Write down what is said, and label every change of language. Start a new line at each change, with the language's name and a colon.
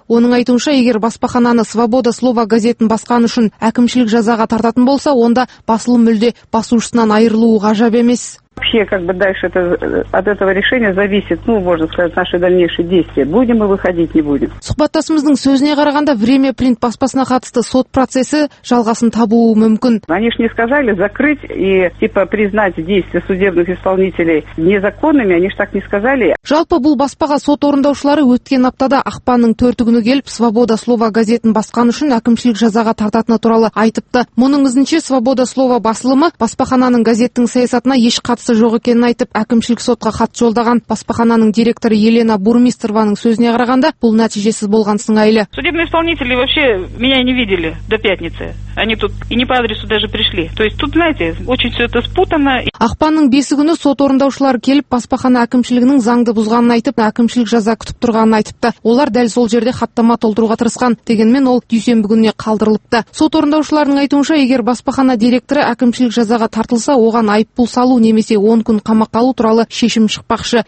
Kazakh: Оның айтуынша, егер баспахананы «Свобода слова» газетін басқан үшін әкімшілік жазаға тартатын болса, онда басылым мүлде басушысынан айырылуы ғажап емес. Сұхбаттасымыздың сөзіне қарағанда, «Время принт» баспасына қатысты сот процесі жалғасын табуы мүмкін.
Russian: Они же не сказали закрыть и признать действия судебных исполнителей незаконными, они же так не сказали.
Kazakh: Жалпы бұл баспаға сот орындаушылары өткен аптада ақпанның 4 күні келіп, «Свобода слова» газетін басқан үшін әкімшілік жазаға тартатыны туралы айтыпты. Мұның ізінше «Свобода слова» басылымы баспахананың газеттің саясатына еш қатысы жоқ екенін айтып, әкімшілік сотқа хат жолдаған. Баспахананың директоры Елена Бурмистрованың сөзіне қарағанда, бұл нәтижесіз болған сыңайлы.
Russian: Судебные исполнители вообще меня не видели до пятницы. Они тут и не по адресу даже пришли. То есть тут, знаете, очень все это спутано.
Kazakh: Ақпанның 5 күні сот орындаушылар келіп, баспахана әкімшілігінің заңды бұзғанын айтып, әкімшілік жаза күтіп тұрғанын айтыпты. Олар дәл сол жерде хаттама толтыруға тырысқан, дегенмен ол дүйсенбі күніне қалдырылыпты. Сот орындаушыларының айтуынша, егер баспахана директоры әкімшілік жазаға тартылса, оған айыппұл салу немесе 10 күн қамаққа алу туралы шешім шықпақшы.